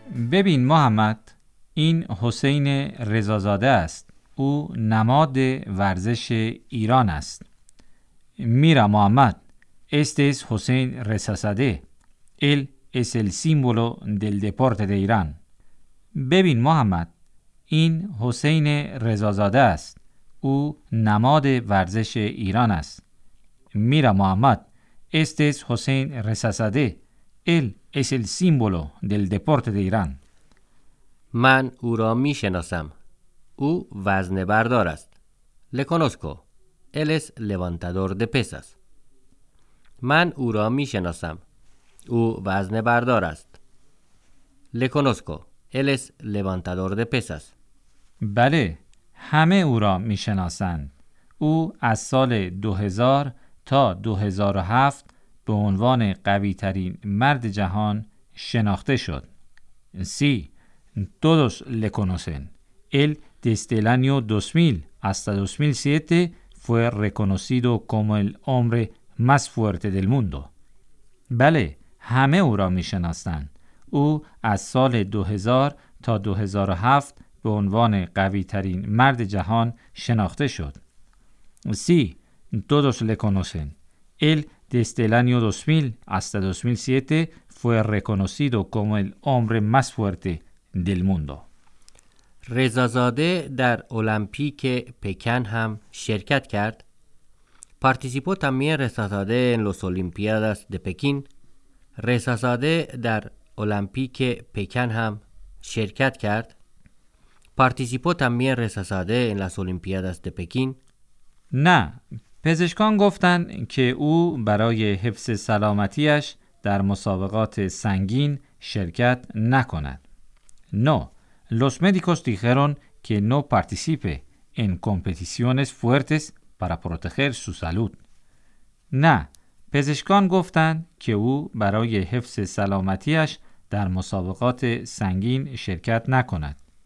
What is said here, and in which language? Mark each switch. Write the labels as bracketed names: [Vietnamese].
[Persian] ببین محمد، این حسین رضازاده است. او نماد ورزش ایران است. [Spanish] میرا محمد، este es حسین رضازاده. Él es el símbolo del deporte de Irán. [Persian] ببین محمد، این حسین رضازاده است. او نماد ورزش ایران است. [Spanish] میرا محمد، este es حسین رضازاده. Él es el símbolo del deporte de Irán. [Persian] من او را می شناسم. او وزن بردار است. [Spanish] Le conozco. Él es levantador de pesas. [Persian] من او را می شناسم. او وزن بردار است. [Spanish] Le conozco. Él es levantador de pesas. [Persian] بله. همه او را می شناسند. او از سال 2000 تا 2007 به عنوان قوی ترین مرد جهان شناخته شد. [Spanish] سی. Todos le conocen. Él desde el año 2000 hasta 2007 fue reconocido como el hombre más fuerte del mundo. [Persian] Vale, همه او را می شناسند. او از سال 2000 تا 2007 به عنوان قوی ترین مرد جهان شناخته شد. [Spanish] Sí, todos le conocen. Él desde el año 2000 hasta 2007 fue reconocido como el hombre más fuerte del mundo. [Persian] رضازاده در المپیک پکن هم شرکت کرد. [Spanish] Participó también رضازاده en los Olimpiadas de Pekín. [Persian] رضازاده در المپیک پکن هم شرکت کرد. [Spanish] Participó también رضازاده en las Olimpiadas de Pekín. [Persian] نه، پزشکان گفتند که او برای حفظ سلامتیش در مسابقات سنگین شرکت نکند. [Spanish] No, los médicos dijeron que no participe en competiciones fuertes para proteger su salud. [Persian] نه، پزشکان گفتند که او برای حفظ سلامتیش در مسابقات سنگین شرکت نکند.